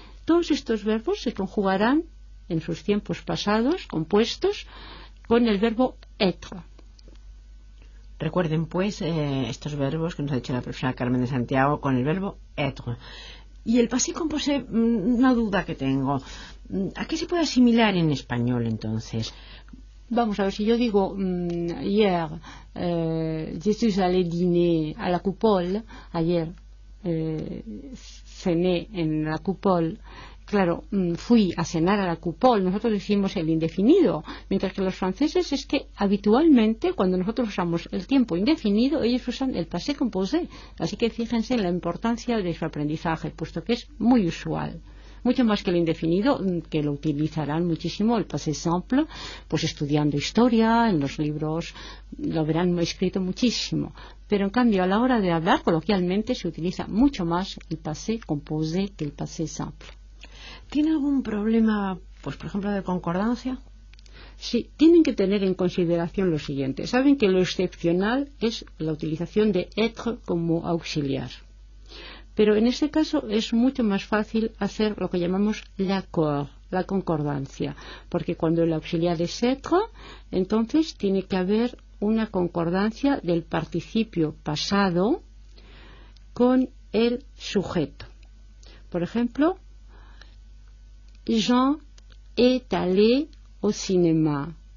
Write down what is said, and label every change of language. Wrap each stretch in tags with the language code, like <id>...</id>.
<es>Todos estos verbos se conjugarán en sus tiempos pasados, compuestos, con el verbo être. Recuerden, pues, estos verbos que nos ha dicho la profesora Carmen de Santiago con el verbo être. Y el passé composé, una duda que tengo. ¿A qué se puede asimilar en español, entonces? Vamos a ver, si yo digo,</es> <fr>hier, je suis allé dîner à la coupole,</fr> <es>ayer cené en la coupole. Claro, fui a cenar a la coupole, nosotros decimos el indefinido, mientras que los franceses es que habitualmente cuando nosotros usamos el tiempo indefinido, ellos usan el passé composé. Así que fíjense en la importancia de su aprendizaje, puesto que es muy usual. mucho más que el indefinido, que lo utilizarán muchísimo, el passé simple, pues estudiando historia, en los libros lo verán escrito muchísimo. Pero en cambio, a la hora de hablar, coloquialmente, se utiliza mucho más el passé composé que el passé simple. ¿Tiene algún problema, pues por ejemplo, de concordancia? Sí, tienen que tener en consideración lo siguiente. Saben que lo excepcional es la utilización de être como auxiliar. Pero en este caso es mucho más fácil hacer lo que llamamos l'accord, la concordancia. Porque cuando el auxiliar es être, entonces tiene que haber una concordancia del participio pasado con el sujeto. Por ejemplo,</es> <fr>Jean est allé au cinéma.</fr>